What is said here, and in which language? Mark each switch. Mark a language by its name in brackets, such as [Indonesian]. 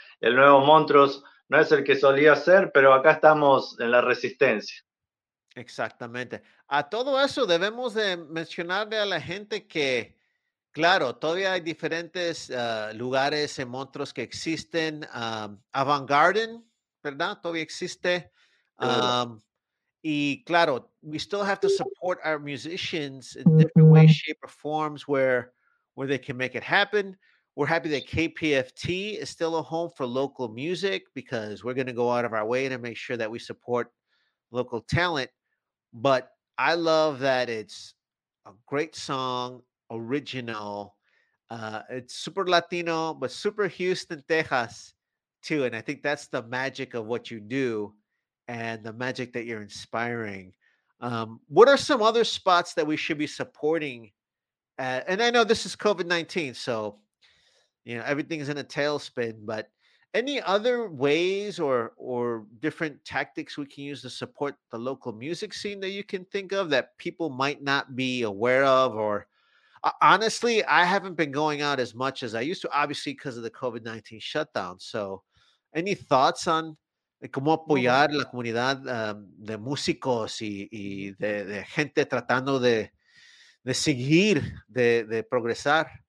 [Spanish] El nuevo Montrose no es el que solía ser, pero acá estamos en la resistencia. Exactamente. A todo eso debemos de mencionarle a la gente que, claro, todavía hay diferentes lugares en Montrose que existen. Avant Garden, ¿verdad? Todavía existe. Y claro, [English] we still have to support our musicians in different ways, shape, or forms where they can make it happen. We're happy that KPFT is still a home for local music because we're going to go out of our way to make sure that we support local talent. But I love that it's a great song, original. It's super Latino, but super Houston, Texas, too. And I think that's the magic of what you do and the magic that you're inspiring. What are some other spots that we should be supporting? And I know this is COVID-19, so, you know, everything is in a tailspin, but any other ways or different tactics we can use to support the local music scene that you can think of that people might not be aware of? Or honestly, I haven't been going out as much as I used to, obviously because of the COVID-19 shutdown. So any thoughts on [Spanish] cómo apoyar la comunidad de músicos y de gente tratando de seguir, de progresar.